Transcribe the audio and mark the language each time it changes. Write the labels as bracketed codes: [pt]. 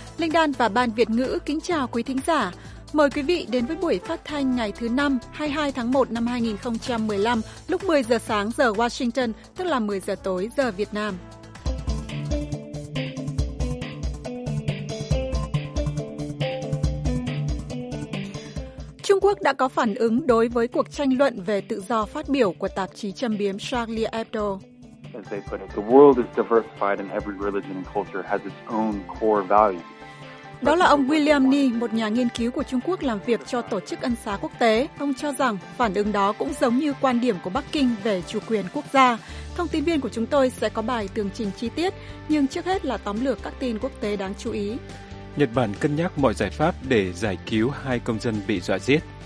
[vi] Linh Đan và Ban Việt Ngữ kính chào quý thính giả. Mời quý vị đến với buổi phát thanh ngày thứ Năm, 22 tháng 1 năm 2015, lúc 10 giờ sáng giờ Washington, tức là 10 giờ tối giờ Việt Nam. Trung Quốc đã có phản ứng đối với cuộc tranh luận về tự do phát biểu của tạp chí châm biếm Charlie Hebdo. [en] As they put it, the world is diversified and every religion and culture has its own core values. [vi] Đó là ông William Ni, một nhà nghiên cứu của Trung Quốc làm việc cho Tổ chức Ân xá Quốc tế. Ông cho rằng phản ứng đó cũng giống như quan điểm của Bắc Kinh về chủ quyền quốc gia. Thông tin viên của chúng tôi sẽ có bài tường trình chi tiết, nhưng trước hết là tóm lược các tin quốc tế đáng chú ý. Nhật Bản cân nhắc mọi giải pháp để giải cứu hai công dân bị dọa giết.